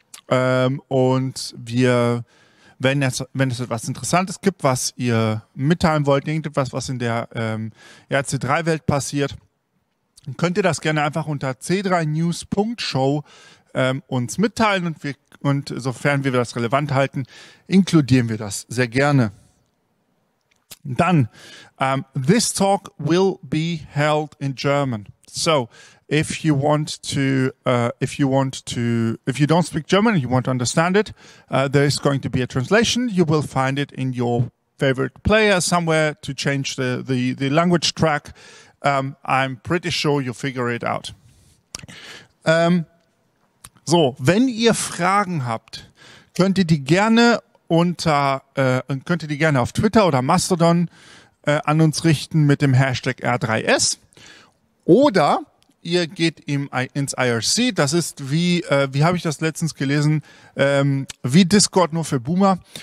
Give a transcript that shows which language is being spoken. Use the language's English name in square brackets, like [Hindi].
[German] Wenn es etwas Interessantes gibt, was ihr mitteilen wollt, irgendetwas, was in der RC3-Welt passiert, könnt ihr das gerne einfach unter c3news.show uns mitteilen und sofern wir das relevant halten, inkludieren wir das sehr gerne. [English] Dann, this talk will be held in German. So, if you don't speak German and you want to understand it, there is going to be a translation. You will find it in your favorite player somewhere to change the language track. I'm pretty sure you'll figure it out. [German] So, wenn ihr Fragen habt, könnt ihr die gerne auf Twitter oder Mastodon an uns richten mit dem Hashtag R3S. Oder ihr geht ins IRC. Das ist wie habe ich das letztens gelesen, wie Discord nur für Boomer.